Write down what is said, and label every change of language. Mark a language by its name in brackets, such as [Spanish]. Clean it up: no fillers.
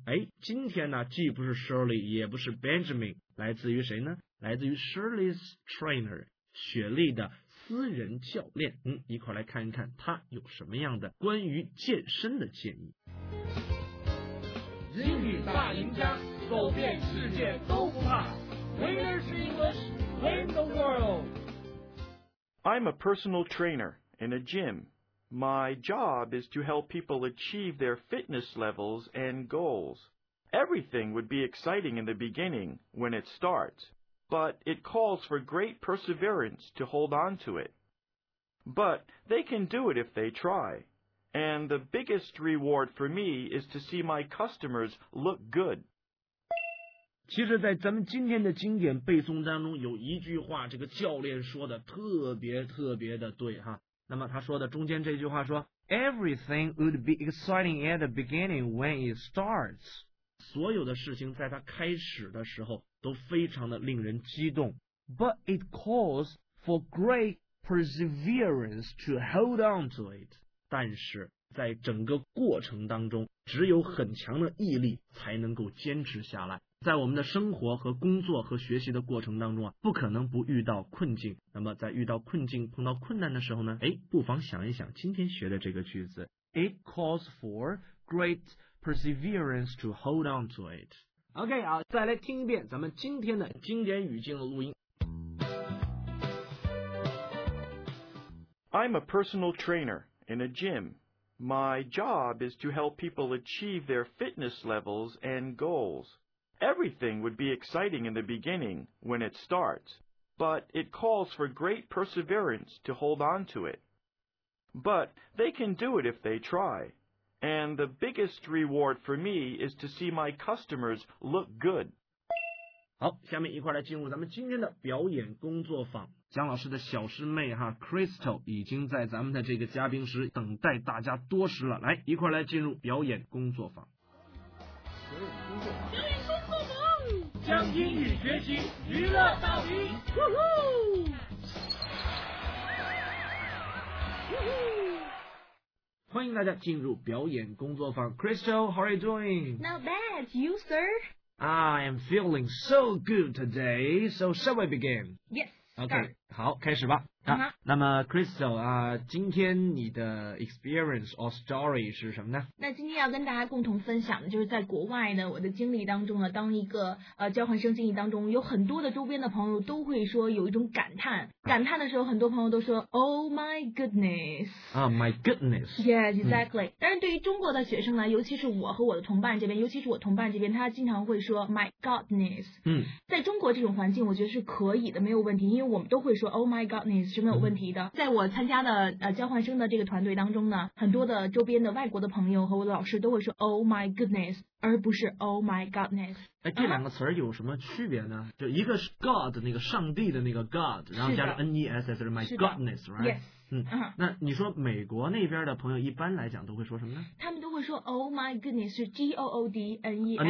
[Chinese] 哎，今天呢既不是 Shirley 也不是 Benjamin, 来自于谁呢？来自于 [English] Shirley's trainer, [Chinese] 雪莉的私人教练。嗯，一块来看一看他有什么样的关于健身的建议。英语大赢家，走遍世界都不怕。 [English] Winners English, win the world. I'm a personal trainer in a gym. My job is to help people achieve their fitness levels and goals. Everything would be exciting in the beginning when it starts, but it calls for great perseverance to hold on to it. But they can do it if they try. And the biggest reward for me is to see my customers look good. [Chinese] 其实在咱们今天的经典背诵当中有一句话，这个教练说的特别特别的对哈。那么他说的中间这句话说 [English] Everything would be exciting at the beginning when it starts. [Chinese] 所有的事情在他开始的时候都非常的令人激动。 [English] But it calls for great perseverance to hold on to it. [Chinese] 但是在整个过程当中，只有很强的毅力才能够坚持下来。在我们的生活和工作和学习的过程当中啊，不可能不遇到困境。那么在遇到困境碰到困难的时候呢，哎，不妨想一想今天学的这个句子。 [English] It calls for great perseverance to hold on to it. [Chinese] OK, 好，再来听一遍咱们今天的经典语境的录音。 [English] I'm a personal trainer. In a gym, my job is to help people achieve their fitness levels and goals. Everything would be exciting in the beginning when it starts, but it calls for great perseverance to hold on to it. But they can do it if they try. And the biggest reward for me is to see my customers look good. [Chinese] 好，下面一块来进入咱们今天的表演工作坊。姜老师的小师妹哈 Crystal 已经在咱们的这个嘉宾室等待大家多时了，来一块来进入表演工作坊。表演工作坊，将英语学习娱乐到底。呼呼欢迎大家进入表演工作坊。 [English] Crystal, how are you doing? Not bad, you sir? I am feeling so good today, so shall we begin? Yes. [Chinese] OK, 好，开始吧。那么 Crystal, 今天你的 [English] experience or story [Chinese] 是什么呢？那今天要跟大家共同分享的就是在国外呢，我的经历当中呢，当一个交换生经历当中，有很多的周边的朋友都会说有一种感叹。感叹的时候很多朋友都说 [English] Oh my goodness. [Chinese] My goodness. [English] Yes, exactly. [Chinese] 但是对于中国的学生呢，尤其是我和我的同伴这边，尤其是我同伴这边，他经常会说 [English] My goodness. [Chinese] 在中国这种环境我觉得是可以的，没有问题，因为我们都会说 [English] Oh my goodness. [Chinese] 是没有问题的。在我参加的交换生的这个团队当中呢，很多的周边的外国的朋友和我的老师都会说 [English] Oh my goodness [Chinese] 而不是 [English] Oh my godness。 [Chinese] 这两个词有什么区别呢？就一个是 God 那个上帝的那个 God， 然后加上 N-E-S-S 是 [English] my godness， right？ Yes。 [Chinese] 那你说美国那边的朋友一般来讲都会说什么呢？他们都会说 [English] Oh my goodness， [Chinese] 是 G-O-O-D-N-E-S-S、